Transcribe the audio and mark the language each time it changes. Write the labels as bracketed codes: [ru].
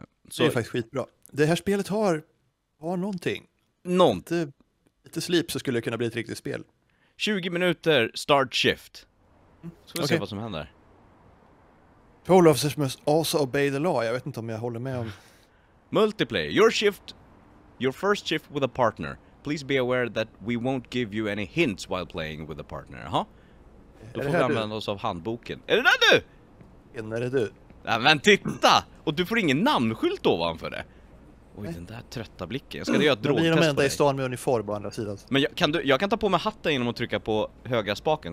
[sv] Så det är faktiskt skitbra. Det här spelet har någonting. Någonting. Lite slip så skulle det kunna bli ett riktigt spel. 20 minuter, start shift. Ska vi se vad som händer. [en] Poll officers must also obey the law. [sv] Jag vet inte om jag håller med om... [en] Multiplayer. Your shift, your first shift with a partner. Please be aware that we won't give you any hints while playing with a partner. [sv] Aha. Då får vi använda oss av handboken. Är det där du? Är det du? Men titta! Och du får ingen namnskylt ovanför det. Oj, nej. Den där trötta blicken. Jag ska göra ett drogtest på dig. Men blir de enda i stan med uniform på andra sidan. Men jag kan ta på mig hatten genom att trycka på högra spaken.